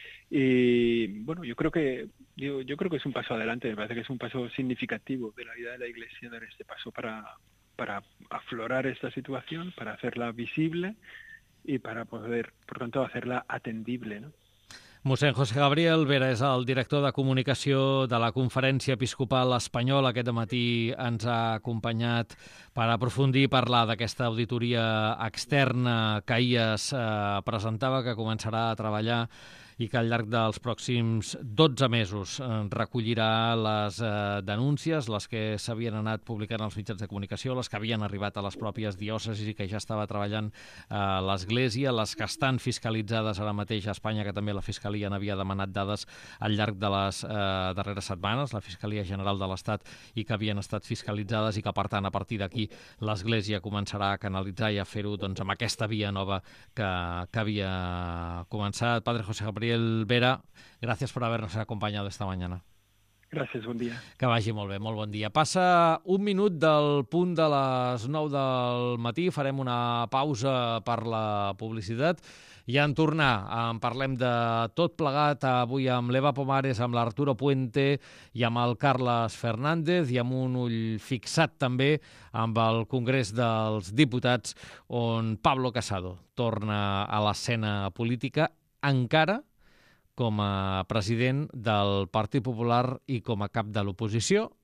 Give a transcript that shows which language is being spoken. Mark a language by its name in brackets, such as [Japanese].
[Spanish] Y bueno, yo creo que es un paso adelante, me parece que es un paso significativo de la vida de la Iglesia dar este paso para aflorar esta situación, para hacerla visible y para poder, por tanto, hacerla atendible, ¿no? [Catalan] Mossèn José Gabriel Vera és el director de comunicació de la Conferència Episcopal Espanyola. Aquest matí ens ha acompanyat per aprofundir i parlar d'aquesta auditoria externa que ahir es presentava, que començarà a treballar i que al llarg dels pròxims 12 mesos recollirà les denúncies, les que s'havien anat publicant als mitjans de comunicació, les que havien arribat a les pròpies diòcesis i que ja estava treballant l'Església, les que estan fiscalitzades ara mateix a Espanya, que també la Fiscalia n'havia demanat dades al llarg de les darreres setmanes, la Fiscalia General de l'Estat, i que havien estat fiscalitzades i que, per tant, a partir d'aquí l'Església començarà a canalitzar i a fer-ho doncs, amb aquesta via nova que havia començat. [Spanish] Padre José Gabriel Vera, gracias por habernos acompañado esta mañana. Gracias, buen día. [Catalan] Que vagi molt bé, molt bon dia. Passa un minut del punt de les 9 del matí, farem una pausa per la publicitat i en tornar en parlem de tot plegat avui amb l'Eva Pomares, amb l'Arturo Puente i amb el Carles Fernández i amb un ull fixat també amb el Congrés dels Diputats on Pablo Casado torna a l'escena política encara com a president del Partit Popular i com a cap de l'oposició.